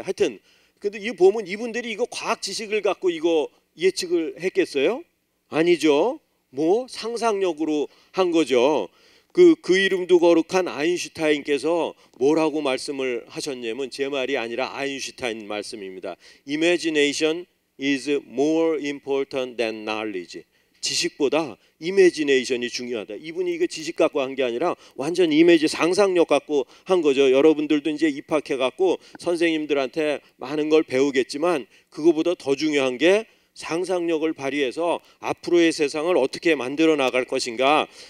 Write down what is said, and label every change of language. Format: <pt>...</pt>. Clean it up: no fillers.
<ko>하여튼 근데 이 보면 이분들이 이거 과학 지식을 갖고 이거 예측을 했겠어요? 아니죠. 뭐 상상력으로 한 거죠. 그 이름도 거룩한 아인슈타인께서 뭐라고 말씀을 하셨냐면 제 말이 아니라 아인슈타인 말씀입니다.</ko> <en>Imagination is more important than knowledge.</en> <ko>지식보다 이미지네이션이 중요하다. 이분이 이거 지식 갖고 한 게 아니라 완전 이미지 상상력 갖고 한 거죠. 여러분들도 이제 입학해 갖고 선생님들한테 많은 걸 배우겠지만 그거보다 더 중요한 게 상상력을 발휘해서 앞으로의 세상을 어떻게 만들어 나갈 것인가.</ko>